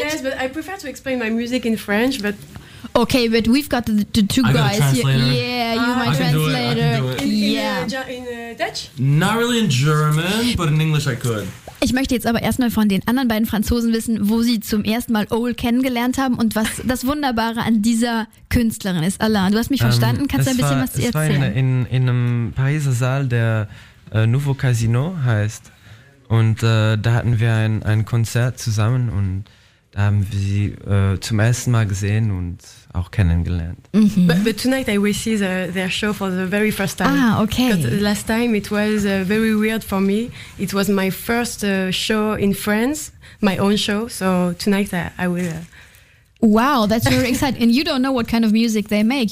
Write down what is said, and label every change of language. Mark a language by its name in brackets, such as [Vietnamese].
[English] Yes, but I prefer to explain my music in French, but... Okay, but we've got the two guys here. Yeah, you're my translator. In Dutch? Not really in German, but in English I could. [German] Ich möchte jetzt aber erstmal von den anderen beiden Franzosen wissen, wo sie zum ersten Mal Ole kennengelernt haben und was das Wunderbare an dieser Künstlerin ist. Alain, du hast mich verstanden, kannst du ein bisschen was erzählen? Es war in einem Pariser Saal, der Nouveau Casino heißt. Und da hatten wir ein Konzert zusammen und da haben wir sie zum ersten Mal gesehen und auch kennengelernt. Mm-hmm. [English] But tonight I will see their show for the very first time. Ah, okay. Because last time it was very weird for me. It was my first show in France, my own show. So tonight I will... Wow, that's very exciting. And you don't know what kind of music they make.